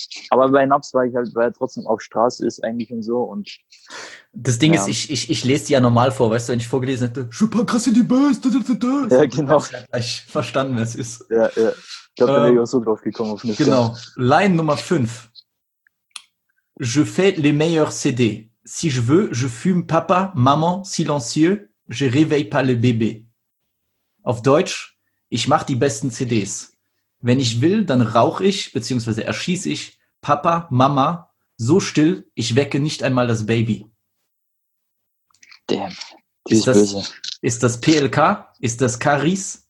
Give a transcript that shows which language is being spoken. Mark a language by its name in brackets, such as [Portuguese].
[German] Aber bei Naps war ich halt, weil er trotzdem auf Straße ist eigentlich und so. Und das Ding ist, ich lese die ja normal vor, weißt du, wenn ich vorgelesen hätte, super krass in die Bass, das. Ja, genau. Ich verstanden, was es ist. Ja, ja. Ich glaube, da wäre ich auch so drauf gekommen auf Niska. Genau. Line Nummer 5. [French] Je fais les meilleurs CD. Si je veux, je fume Papa, Maman, silencieux, je réveille pas le bébé. [German] Auf Deutsch. Ich mache die besten CDs. Wenn ich will, dann rauche ich bzw. erschieße ich Papa, Mama so still, ich wecke nicht einmal das Baby. [English] Damn, [German] ist das böse. Ist das PLK? Ist das Karis?